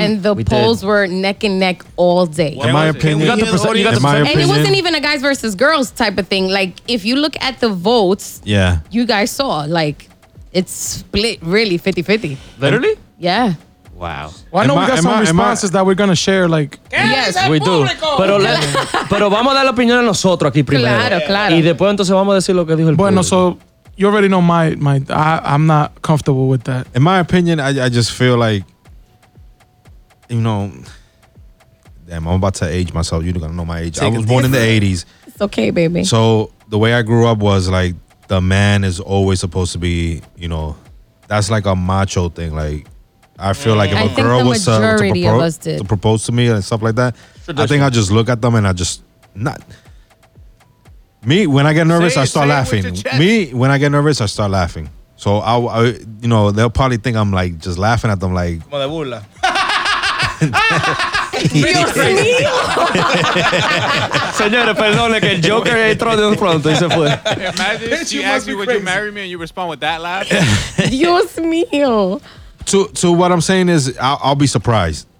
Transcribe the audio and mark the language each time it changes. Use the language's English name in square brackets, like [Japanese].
[English] And the polls were neck and neck all day. In my opinion. And it wasn't even a guys versus girls type of thing. Like, if you look at the votes, yeah, you guys saw, like, it's split really 50-50. Literally? Yeah. Wow. Well, I know we got some responses that we're going to share, like... Yes, we do. [Spanish] Pero vamos a dar la opinión a nosotros aquí primero. Claro, claro. Y después entonces vamos a decir lo que dijo el público. [English] Bueno, so you already know my I'm not comfortable with that. In my opinion, I just feel like, you know... Damn, I'm about to age myself. You're going to know my age. I was born in the 80s. It's okay, baby. So the way I grew up was like the man is always supposed to be, you know... That's like a macho thing, like... I feel like if a girl was to propose to me and stuff like that, I think I just look at them and I just not. Me, when I get nervous, I start laughing. So I, you know, they'll probably think I'm like just laughing at them, like. [Spanish] Dios mío. Señores, perdone que Joker entró de un pronto y se fue. [English] Imagine she asked me, would you marry me? And you respond with that laugh. [Spanish] Dios mío. [English] So what I'm saying is, I'll be surprised.